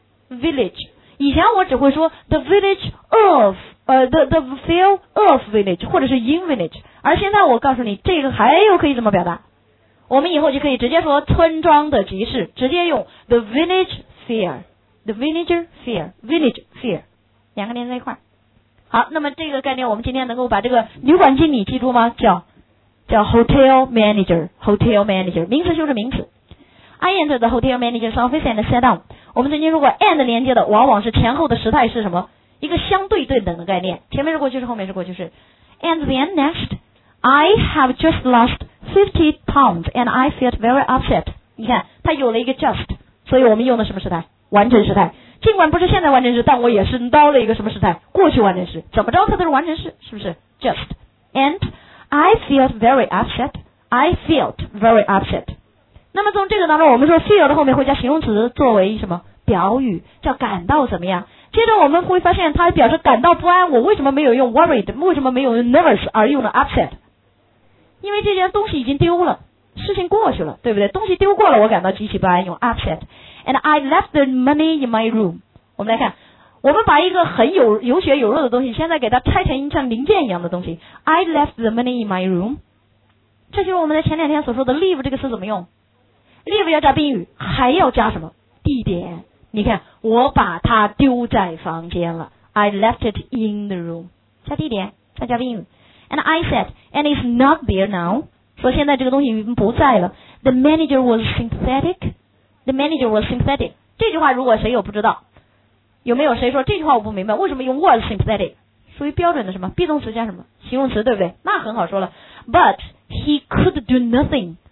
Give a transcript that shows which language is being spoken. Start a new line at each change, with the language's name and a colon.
Chinese: Village， 以前我只会说
English: the village of， the field of village，
Chinese: 或者是
English: in village，
Chinese: 而现在我告诉你，这个还有可以怎么表达？我们以后就可以直接说村庄的集市，直接用
English: the village fair，
Chinese: the village fair， village fair， 两个连在一块。好，那么这个概念我们今天能够把这个旅馆经理记住吗？叫 hotel manager， 名词就是名词。
English: I entered the hotel manager's office and sat down。
Chinese: 我们曾经说过 and 连接的往往是前后的时态是什么？一个相对对等的概念，前面是过去式，后面是过去式。
English: And then next I have just lost 50 pounds and I felt very upset。
Chinese: 你看它有了一个 just， 所以我们用的什么时态？完成时态。尽管不是现在完成时，但我也是捞了一个什么时态？过去完成时。怎么着它都是完成时，是不是？
English: just and I felt very upset， I felt very upset。
Chinese: 那么从这个当中，我们说 feel 的后面会加形容词作为什么表语，叫感到怎么样。接着我们会发现它表示感到不安，我为什么没有用 worried， 为什么没有用 nervous 而用了 upset？因为这件东西已经丢了，事情过去了，对不对？东西丢过了，我感到极其不安，用 upset。
English: And I left the money in my room。
Chinese: 我们来看，我们把一个很有血有肉的东西，现在给它拆成像零件一样的东西。
English: I left the money in my room。
Chinese: 这就是我们在前两天所说的 leave 这个词怎么用。 leave 要加宾语，还要加什么？地点。你看，我把它丢在房间了。
English: I left it in the room。
Chinese: 加地点，再加宾语。
English: And I said, and it's not there now。
Chinese: 所以现在这个东西不在了。
English: The manager was sympathetic. The manager was sympathetic.
Chinese: 这句话如果谁有不知道，有没有谁说这句话我不明白，为什么用 was sympathetic？属于标准的什么 ？be 动词加什么？形容词，对不对？那很好说了。
English: But he could do nothing.